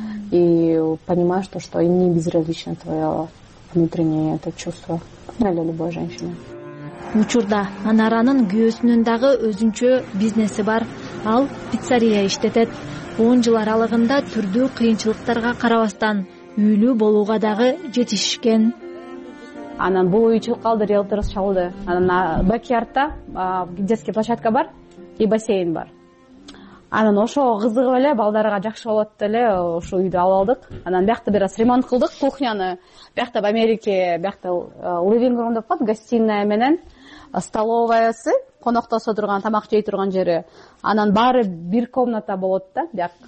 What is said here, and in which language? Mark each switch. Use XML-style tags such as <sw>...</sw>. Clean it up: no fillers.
<ru>И понимаешь то, что не безразлично твое внутреннее это чувство для любой женщины.</ru> <ky>Учурда Анаранын күйөөсүнүн дагы өзүнчө бизнеси бар. Ал пиццерия иштетет. 10 жыл аралыгында түрдүү кыйынчылыктарга карабастан үйлүү болууга дагы жетишкен. Анан бул үйчүлүк калды, риэлторус чалды. Анан бакиярда</ky> <ru>детский площадка</ru> <ky>бар и бассейн бар. Анан ошого кызыгып эле балдарга жакшы болот деле ушул үйдү алып алдык. Анан биякта бир аз ремонт кылдык кухняны. Биякта</ky> <ru>в Америке,</ru> <ky>биякта</ky> <en>living room</en> <ky>деп коет, гостиная менен столовоясы, коноктосо турган, тамак жей турган жери. Анан баары бир комната болот да.</ky>